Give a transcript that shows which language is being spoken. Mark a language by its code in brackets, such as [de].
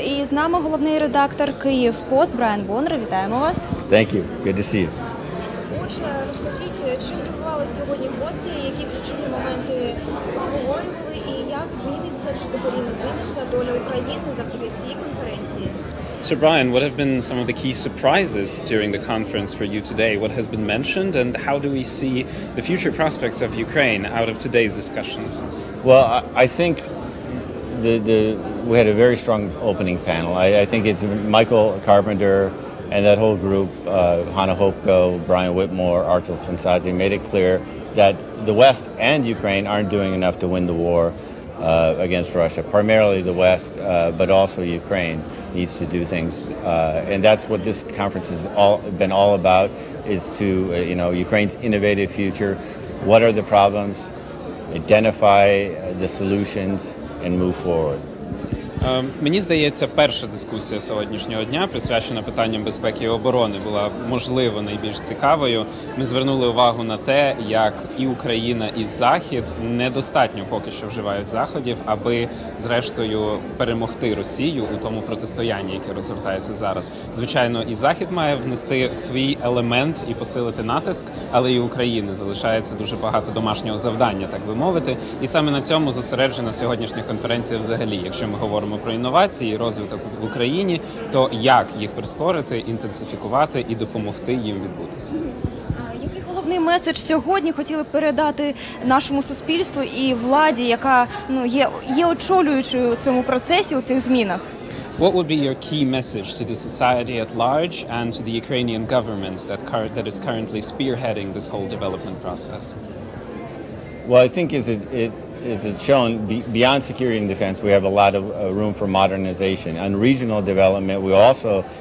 [uk] І з нами головний редактор «Київпост» Брайан Боннер. Вітаємо вас. [en] Thank you. Good to see you. [uk] Отже, розкажіть, чим дивувалися сьогодні гості, які ключові моменти обговорювали, і як зміниться, чи докорінно зміниться доля України завдяки цій конференції? [en] So Brian, what have been some of the key surprises during the conference for you today? What has been mentioned and how do we see the future prospects of Ukraine out of today's discussions? Well, I think the we had a very strong opening panel. I think it's Michael Carpenter and that whole group, Hannah Hopko, Brian Whitmore, Archil Sensazi, made it clear that the West and Ukraine aren't doing enough to win the war against Russia, primarily the West, but also Ukraine needs to do things. And that's what this conference has been all about, is to, you know, Ukraine's innovative future. What are the problems? Identify the solutions and move forward. [uk] Мені здається, перша дискусія сьогоднішнього дня, присвячена питанням безпеки і оборони, була, можливо, найбільш цікавою. Ми звернули увагу на те, як і Україна, і Захід недостатньо поки що вживають заходів, аби, зрештою, перемогти Росію у тому протистоянні, яке розгортається зараз. Звичайно, і Захід має внести свій елемент і посилити натиск, але і Україні залишається дуже багато домашнього завдання, так би мовити. І саме на цьому зосереджена сьогоднішня конференція взагалі, якщо ми говоримо про інновації і розвиток в Україні, то як їх прискорити, інтенсифікувати і допомогти їм відбутися. Який головний меседж сьогодні хотіли передати нашому суспільству і владі, яка є очолюючою у цьому процесі, у цих змінах? [en] What would be your key message to the society at large and to the Ukrainian government that is currently spearheading this whole development process? Well, I think as it's shown, beyond security and defense, we have a lot of room for modernization. On regional development, we also